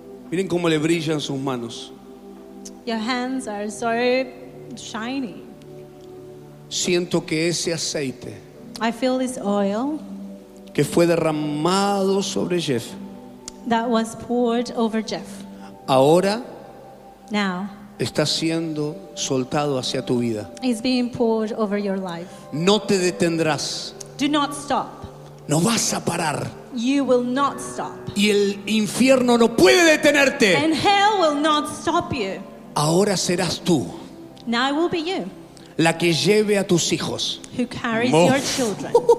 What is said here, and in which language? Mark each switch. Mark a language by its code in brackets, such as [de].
[es] Miren cómo le brillan sus manos. [en] Your hands are so shiny. [es] Siento que ese aceite. [en] I feel this oil. [es] Que fue derramado sobre Jeff. [en] That was poured over Jeff. [es] Ahora. [en] Now. [es] Está siendo soltado hacia tu vida. [en] It's being poured over your life. [es] No te detendrás. [en] Do not stop. [es] No vas a parar. [en] You will not stop. [es] Y el infierno no puede detenerte. [en] And hell will not stop you. [es] Ahora serás tú. [en] Now it will be you. [es] La que lleve a tus hijos. [en] Who carries your children.